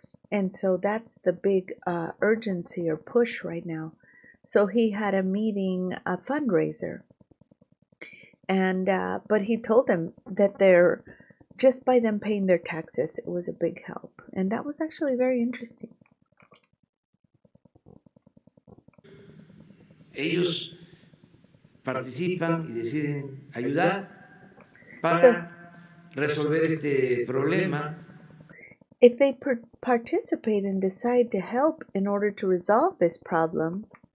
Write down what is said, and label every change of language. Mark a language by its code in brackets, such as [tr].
[en] And so that's the big urgency or push right now. So he had a meeting, a fundraiser. And but he told them that they're just by them paying their taxes, it was a big help. And that was actually very interesting. [es] Ellos participan y deciden ayudar para resolver este problema. [en] If they participate and decide to help in order to resolve this problem,